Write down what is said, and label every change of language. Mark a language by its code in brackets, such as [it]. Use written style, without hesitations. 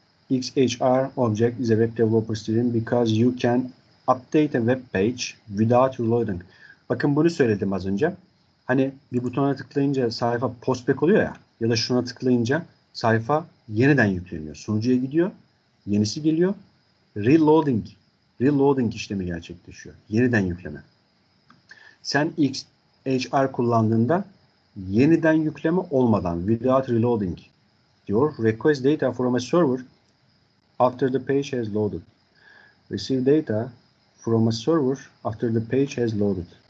[en] XHR object is a web developer stream because you can update a web page without reloading. [tr] Bakın bunu söyledim az önce. Hani bir butona tıklayınca sayfa postback oluyor ya. Ya da şuna tıklayınca sayfa yeniden yükleniyor. Sunucuya gidiyor. Yenisi geliyor. Reloading. Reloading işlemi gerçekleşiyor. Yeniden yükleme. Sen XHR kullandığında yeniden yükleme olmadan [en] without reloading [tr] diyor. [en] Request data from a server after the page has loaded. Receive data from a server after the page has loaded.